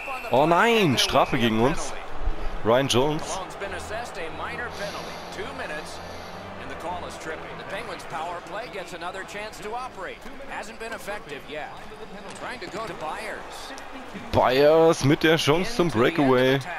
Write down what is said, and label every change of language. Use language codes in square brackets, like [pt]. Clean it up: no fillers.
[de] Oh nein, Strafe gegen uns. [en] Ryan Jones. Malone's been assessed a minor penalty. 2 minutes, and the call is tripping. The Penguins' power play gets another chance to operate. Hasn't been effective yet. Trying to go to Byers. [de] Byers mit der Chance zum Breakaway.